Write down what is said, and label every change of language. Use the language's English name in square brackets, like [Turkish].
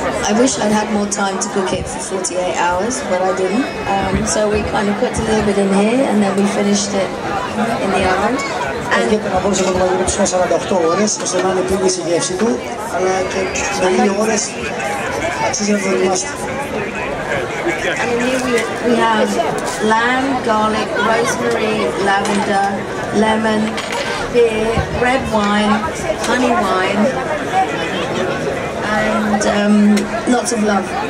[English] I wish I'd had more time to cook it for 48 hours, but I didn't. So we kind of cooked a little bit in here and then we finished it in the oven. [Greek] Έχετε να μπορούσατε να το μαγειρέψουμε 48 ώρες, ώστε να είναι πλήρης η γεύση του, αλλά και με 2 ώρες αξίζει να το δοκιμάσετε. [English] I mean, here we have lamb, garlic, rosemary, lavender, lemon, beer, red wine, honey wine, and lots of love.